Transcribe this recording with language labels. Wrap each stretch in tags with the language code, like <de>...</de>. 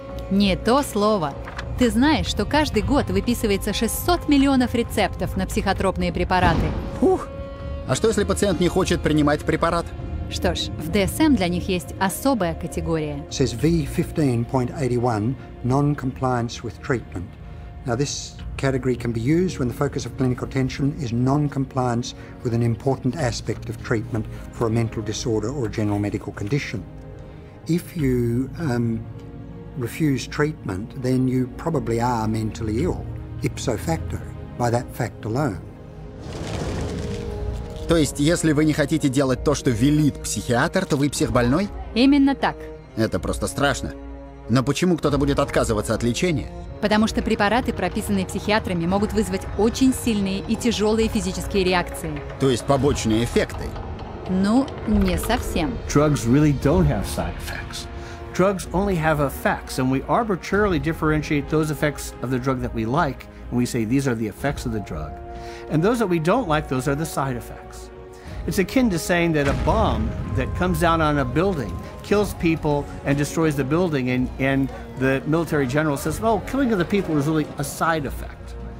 <ru>Не то слово. Ты знаешь, что каждый год выписывается 600 миллионов рецептов на психотропные препараты? Фух! А что, если пациент не хочет принимать препарат? Что ж, в DSM для них есть особая категория.</ru> <en>Says V15.81 non-compliance with treatment. Now this category can be used when the focus of clinical attention is non-compliance with an important aspect of treatment for a mental disorder or a general medical condition. If you refuse treatment, then you probably are mentally ill, ipso facto, by that fact alone.</en> <ru>То есть, если вы не хотите делать то, что велит психиатр, то вы психбольной? Именно так. Это просто страшно. Но почему кто-то будет отказываться от лечения? Потому что препараты, прописанные психиатрами, могут вызвать очень сильные и тяжелые физические реакции. То есть побочные эффекты? Ну, не совсем.</ru> <en>Drugs really don't have side effects. Drugs only have effects, and we arbitrarily differentiate those effects of the drug that we like, and we say these are the effects of the drug. And those that we don't like, those are the side effects. It's akin to saying that a bomb that comes down on a building kills people and destroys the building, and the military general says, oh, killing of the people is really a side effect.</en>